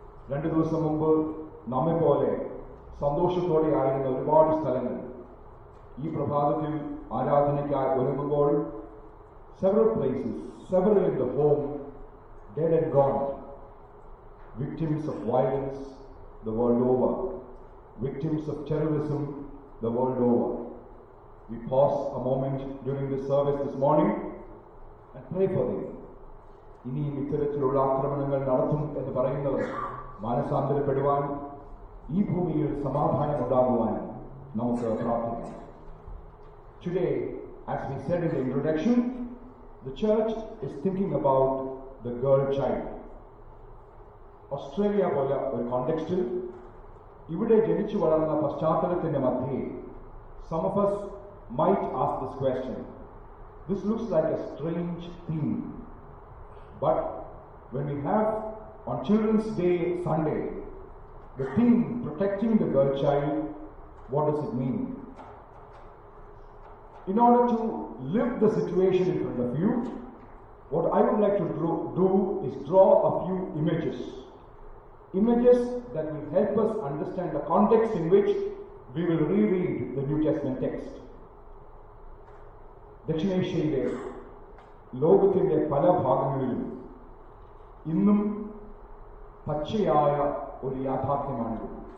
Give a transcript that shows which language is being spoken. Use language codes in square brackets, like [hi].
[ml] രണ്ടു ദിവസം മുമ്പ് നമ്മെ പോലെ സന്തോഷത്തോടെയായിരുന്ന ഒരുപാട് സ്ഥലങ്ങൾ ഈ പ്രഭാതത്തിൽ ആരാധനയ്ക്കായി ഒരുങ്ങുമ്പോൾ [en] Several places, several in the home, dead and gone, victims of violence the world over, victims of terrorism the world over. We pause a moment during the service this morning and pray for them. [ml] ഇനി ഇത്തരത്തിലുള്ള ആക്രമണങ്ങൾ നടത്തും എന്ന് പറയുന്നവർ മാനസാന്തരപ്പെടുവാൻ, ഈ ഭൂമിയിൽ സമാധാനം ഉണ്ടാകുവാൻ നമുക്ക് പ്രാർത്ഥിക്കാം. [en] Today, as we said in the introduction, the church is thinking about the girl child. [ml] Australia പോലെ ഒരു കോണ്ടെക്സ്റ്റിൽ ഇവിടെ ജനിച്ചു വളർന്ന പശ്ചാത്തലത്തിന്റെ മധ്യേ [en] some of us might ask this question. This looks like a strange thing. But when we have on Children's Day Sunday, the theme protecting the girl child, what does it mean? In order to live the situation in front of you, what I would like to do is draw a few images. Images that will help us understand the context in which we will reread the New Testament text. [ml] ദക്ഷിണേഷ്യയിലെ ലോകത്തിന്റെ പല ഭാഗങ്ങളിലും ഇന്നും പച്ചയായ ഒരു യാഥാർത്ഥ്യമാണിത്.